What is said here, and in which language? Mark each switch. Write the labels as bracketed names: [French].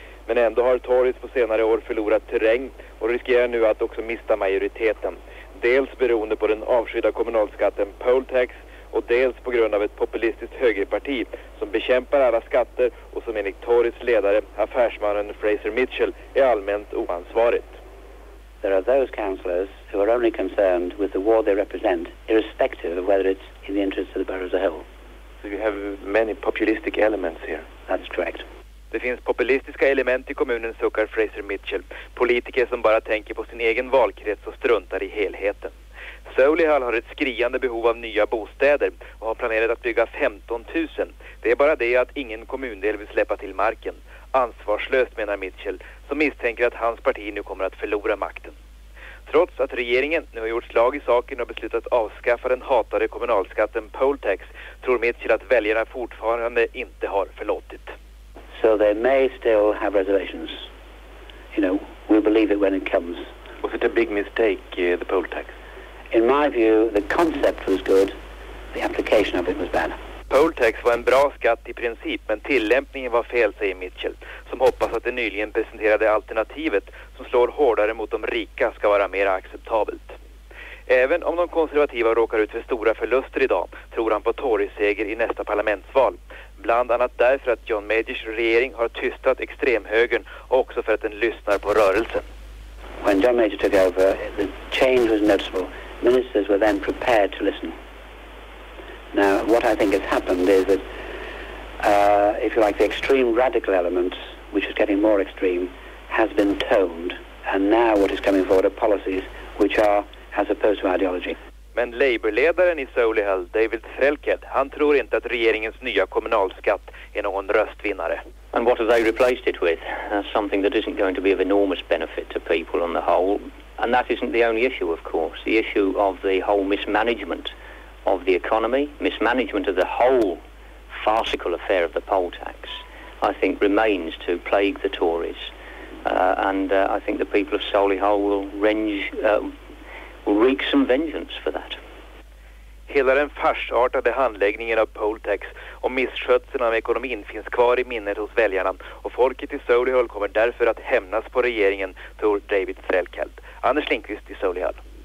[Swedish] Men ändå har Tories på senare år förlorat terräng och riskerar nu att också mista majoriteten. Dels beroende på den avskydda kommunalskatten poll tax och dels på grund av ett populistiskt högerparti som bekämpar alla skatter och som enligt Tories ledare, affärsmannen Fraser Mitchell, är allmänt oansvarigt. [English] There are those councillors who are only concerned with the ward they represent, irrespective of whether it's in the interest of the borough as a whole. So you have many populistic elements here. That's correct. [Swedish] Det finns populistiska element i kommunen, suckar Fraser Mitchell. Politiker som bara tänker på sin egen valkrets och struntar i helheten. Solihull har ett skriande behov av nya bostäder och har planerat att bygga 15 000. Det är bara det att ingen kommundel vill släppa till marken. Ansvarslöst, menar Mitchell, som misstänker att hans parti nu kommer att förlora makten. Trots att regeringen nu har gjort slag i saken och beslutat avskaffa den hatade kommunalskatten poll tax, tror Mitchell att väljarna fortfarande inte har förlåtit. [English] So they may still have reservations. You know, we believe it when it comes. Was it a big mistake, the poll tax? In my view, the concept was good. The application of it was bad. [Swedish] Poll tax var en bra skatt i princip, men tillämpningen var fel, säger Mitchell, som hoppas att det nyligen presenterade alternativet som slår hårdare mot de rika ska vara mer acceptabelt. Även om de konservativa råkar ut för stora förluster idag, tror han på Tory-seger i nästa parlamentsval. Bland annat därför att John Majors regering har tystat extremhögern och också för att den lyssnar på rörelsen. [English] When John Major took over, the change was noticeable. Ministers were then prepared to listen. Now, what I think has happened is that, if you like, the extreme radical element, which is getting more extreme, has been toned. And now what is coming forward are policies which are as opposed to ideology. [Swedish] Men Labour-ledaren i Solihull, David Selkett, han tror inte att regeringens nya kommunalskatt är någon röstvinnare. [English] And what have they replaced it with? Something that isn't going to be of enormous benefit to people on the whole. And that isn't the only issue, of course. The issue of the whole mismanagement of the economy, mismanagement of the whole farcical affair of the poll tax, I think remains to plague the Tories. I think the people of Solihull will wreak some vengeance for that. [Swedish] Hela den farsartade handläggningen av poll tax och misskötseln av ekonomin finns kvar i minnet hos väljarna och folket i Solihull kommer därför att hämnas på regeringen, tror David Selkett. Anders Lindqvist i Solihull.